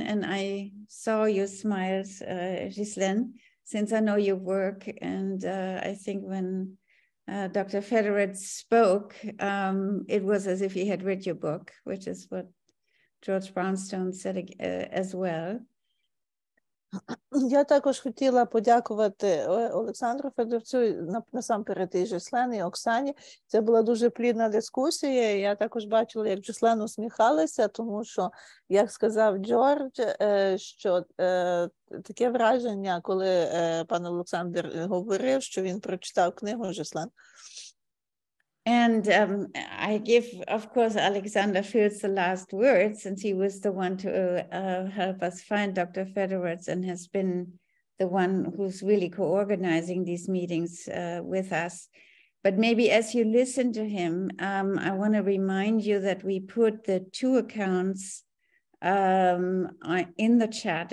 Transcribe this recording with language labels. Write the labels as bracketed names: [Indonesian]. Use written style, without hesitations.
[English] And I saw your smiles, Ghislaine, since I know your work. And I think when Dr. Federer spoke, it was as if he had read your book, which is what George Brownstone said as well. [Ukrainian] Я також хотіла подякувати Олександру Федорцю, насамперед і Жислені, і Оксані. Це була дуже плідна дискусія. Я також бачила, як Жислен усміхалася, тому що, як сказав Джордж, що таке враження, коли пан Олександр говорив, що він прочитав книгу Жислен. [English] And I give, of course, Oleksandr Filts the last word, since he was the one to help us find Dr. Federer and has been the one who's really co-organizing these meetings with us. But maybe as you listen to him, I want to remind you that we put the two accounts in the chat.